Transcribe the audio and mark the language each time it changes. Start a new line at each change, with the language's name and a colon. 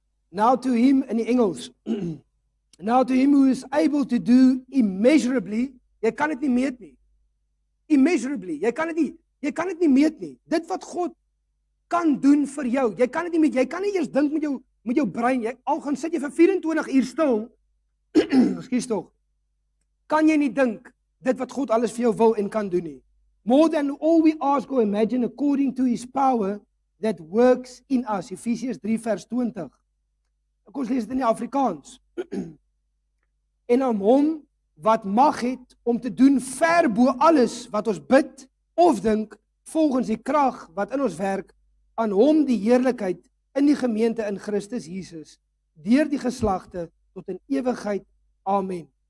English: Now to him,
Afrikaans: in die Engels,
English: now to him who is able to do immeasurably,
Afrikaans: jy kan het nie meet nie, immeasurably, jy kan het nie Jy kan dit nie meet nie. Dit wat God kan doen vir jou, jy kan dit nie meet, jy kan nie eers dink met jou brein, jy, al gaan sit jy vir 24 uur stil, excuse tog, kan jy nie dink dit wat God alles vir jou wil en kan doen nie.
English: More than all we ask or imagine according to his power that works in us.
Afrikaans: Efesiërs 3 vers 20. Ek ons lees dit in die Afrikaans. En om hom wat mag het om te doen ver bo alles wat ons bid of dink, volgens die krag wat in ons werk, aan hom die heerlikheid in die gemeente in Christus Jesus, deur die geslagte tot in ewigheid. Amen.